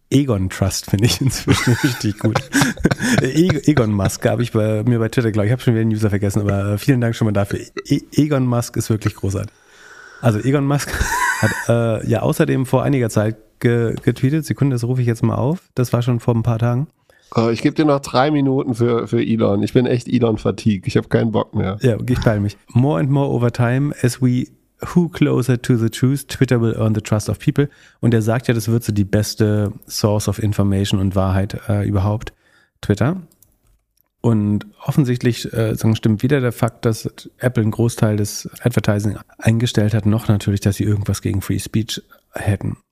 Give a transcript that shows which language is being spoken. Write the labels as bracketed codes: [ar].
[de] Egon Trust finde ich inzwischen richtig gut. Egon Musk habe ich bei Twitter, glaube ich, habe schon wieder den User vergessen, aber vielen Dank schon mal dafür. Egon Musk ist wirklich großartig. Also Elon Musk hat ja außerdem vor einiger Zeit getweetet. Sekunde, das rufe ich jetzt mal auf. Das war schon vor ein paar Tagen. Oh, ich gebe dir noch 3 Minuten für Elon. Ich bin echt Elon-Fatigue. Ich habe keinen Bock mehr. Ja, ich teile mich. [en] More and more over time, as we who closer to the truth, Twitter will earn the trust of people. [de] Und er sagt ja, das wird so die beste [en] Source of Information [de] und Wahrheit überhaupt, Twitter. Und offensichtlich stimmt weder der Fakt, dass Apple einen Großteil des Advertising eingestellt hat, noch natürlich, dass sie irgendwas gegen Free Speech hätten.